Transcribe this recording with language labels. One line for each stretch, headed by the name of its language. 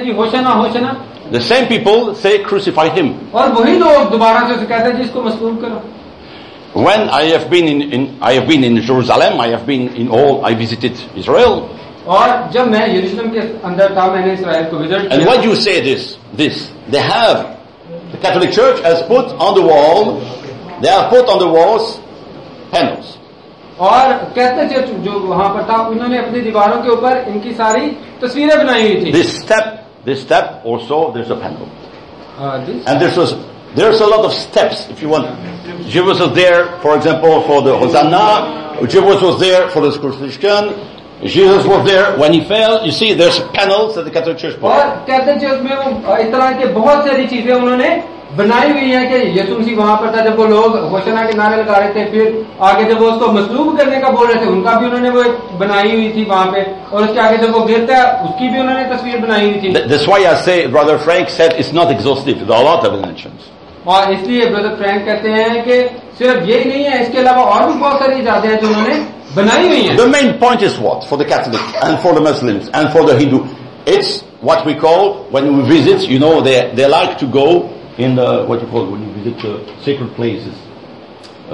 English: The same people say crucify him. When I have been in Jerusalem, I have been in all, I visited Israel. And why do you say this? They have, the Catholic Church has put on the wall, they have put on the walls panels.
Hindi: और कहते थे जो वहां पर था उन्होंने अपनी दीवारों के ऊपर इनकी सारी तस्वीरें बनाई हुई थी.
English: This step also, there's a panel. There's a lot of steps if you want. Jesus was there, for example, for the Hosanna. Jesus was there for the crucifixion. Jesus was there when he fell. You see, there's panels at the Catholic Church.
Hindi: और कहते थे उसमें इस तरह के बहुत सारी चीजें उन्होंने बनाई हुई है कि यीशु मसीह वहां पर था जब वो लोग होशाना के नारे लगा रहे थे फिर आगे जब वो उसको मसलूब करने का बोल रहे थे उनका भी उन्होंने वो बनाई हुई थी वहां पे और उसके आगे जब वो गिरता है उसकी भी उन्होंने तस्वीर बनाई हुई थी.
English: That's why I say Brother Frank said it's not exhaustive, there are a lot of inventions.
Hindi: और इसलिए Brother Frank कहते हैं कि सिर्फ यही नहीं है इसके अलावा और भी बहुत सारी जगह है जो उन्होंने बनाई हुई है.
English: The main point is what for the Catholic and for the Muslims and for the Hindu, it's what we call when we visit, you know, they like to go in the, what you call, when you visit the sacred places.